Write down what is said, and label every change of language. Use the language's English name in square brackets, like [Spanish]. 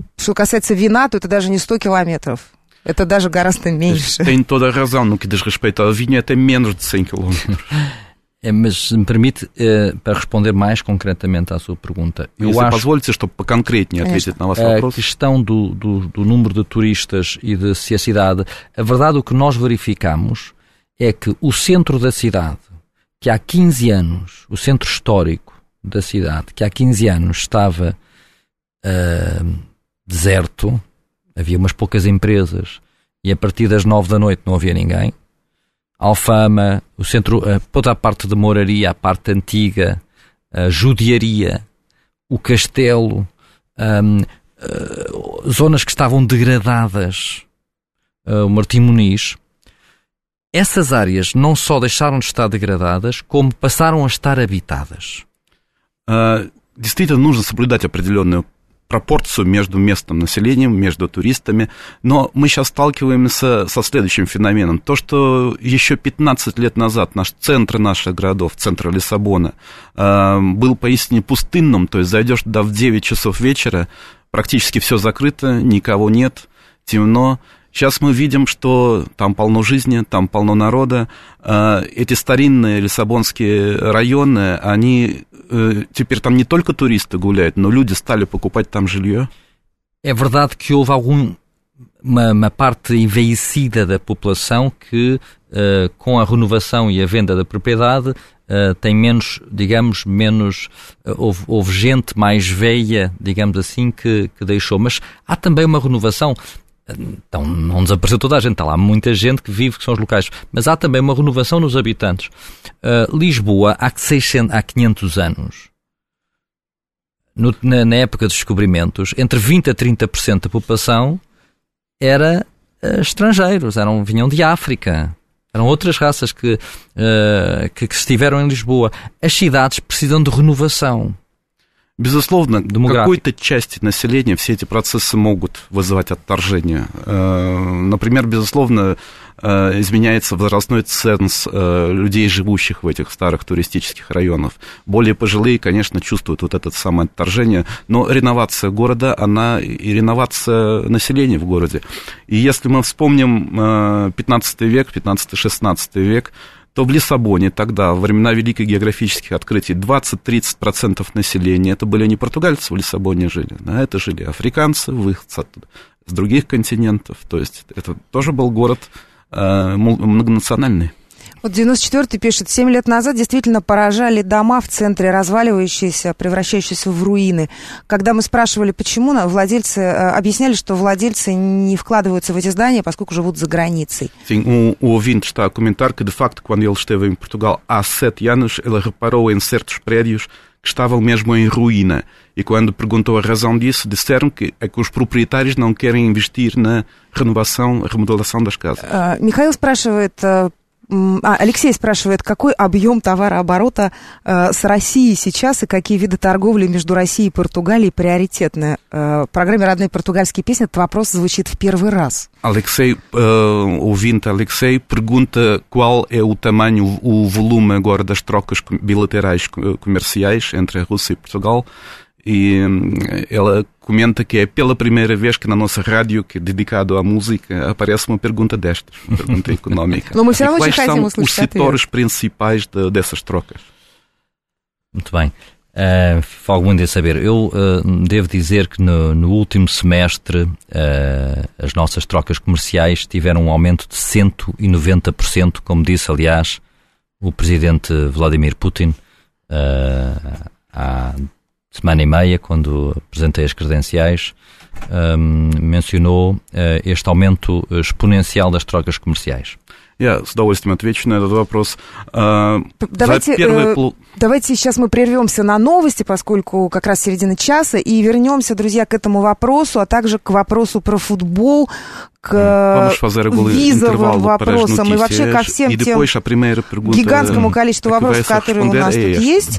[Russian] Что касается вина, то это даже не 100 километров. Это даже гораздо меньше. [Portuguese] Tem toda a razão no que diz respeito ao vinho, até menos de 100 quilômetros. Mas se me permite, para responder mais concretamente à sua pergunta, a questão do número de turistas e de se a cidade... A verdade, o que nós verificamos é que o centro da cidade, que há 15 anos, o centro histórico da cidade, que há 15 anos estava deserto, havia umas poucas empresas e a partir das 9 da noite não havia ninguém. Alfama, o centro, toda a parte de Mouraria, a parte antiga, a judiaria, o castelo, zonas que estavam degradadas, o Martim Muniz, essas áreas não só deixaram de estar degradadas, como passaram a estar habitadas. [Russian] Distrito нужно соблюдать определенную пропорцию между местным населением, между туристами, но мы сейчас сталкиваемся со следующим феноменом. То, что еще 15 лет назад центр наших городов, центр Лиссабона, был поистине пустынным, то есть зайдешь туда в 9 часов вечера, практически все закрыто, никого нет, темно. Сейчас мы видим, что там полно жизни, там полно народа. Эти старинные лиссабонские районы, они теперь там не только туристы гуляют, но люди стали покупать там жилье. [Portuguese] É verdade que houve uma parte envelhecida da população que, com a renovação e a venda da propriedade, tem menos, digamos, menos, houve gente mais velha, digamos assim, que deixou. Mas há também uma renovação... Então, não desapareceu toda a gente, está lá muita gente que vive, que são os locais. Mas há também uma renovação nos habitantes. Lisboa, há 500 anos, na época dos descobrimentos, entre 20% a 30% da população era estrangeiros, vinham de África. Eram outras raças que estiveram em Lisboa. As cidades precisam de renovação. [Russian] Безусловно, какой-то части населения все эти процессы могут вызывать отторжение. Например, безусловно, изменяется возрастной ценз людей, живущих в этих старых туристических районах. Более пожилые, конечно, чувствуют вот это самое отторжение, но реновация города, она и реновация населения в городе. И если мы вспомним 15 век, 15-16 век, то в Лиссабоне тогда, во времена великих географических открытий, 20-30% населения, это были не португальцы в Лиссабоне жили, а это жили африканцы, выходцы с других континентов. То есть это тоже был город многонациональный. Вот 94-й пишет, 7 лет назад действительно поражали дома в центре, разваливающиеся, превращающиеся в руины. Когда мы спрашивали, почему, владельцы объясняли, что владельцы не вкладываются в эти здания, поскольку живут за границей. [Portuguese] Sim, o ouvinte está a comentar que, de facto, quando ele esteve em Portugal há 7 anos, ele reparou em certos prédios que estavam mesmo em ruína. E quando perguntou a razão disso, disseram que é que os proprietários não querem investir na renovação, remodelação das casas. [Russian] Михаил спрашивает... Алексей спрашивает, какой объем товарооборота с Россией сейчас и какие виды торговли между Россией и Португалией приоритетны? В программе «Родные португальские песни» этот вопрос звучит в первый раз. [Portuguese] Алексей, ouvinte Алексей, pergunta qual é o tamanho, o volume agora das trocas bilaterais comerciais entre a Rússia e Portugal. E ela comenta que é pela primeira vez que na nossa rádio, que é dedicado à música, aparece uma pergunta destas, uma pergunta económica. Não, mas não, e quais são os setores principais dessas trocas? Muito bem. Fogo muito em saber. Eu devo dizer que no último semestre as nossas trocas comerciais tiveram um aumento de 190%, como disse, aliás, o presidente Vladimir Putin há semana e meia, quando apresentei as credenciais, mencionou este aumento exponencial das trocas comerciais. [Russian] С удовольствием отвечу на этот вопрос. Давайте сейчас мы прервемся на новости, поскольку как раз середина часа, и вернемся, друзья, к этому вопросу, а также к вопросу про футбол, к визовым вопросам и вообще ко всем тем гигантскому количеству вопросов, которые у нас тут есть.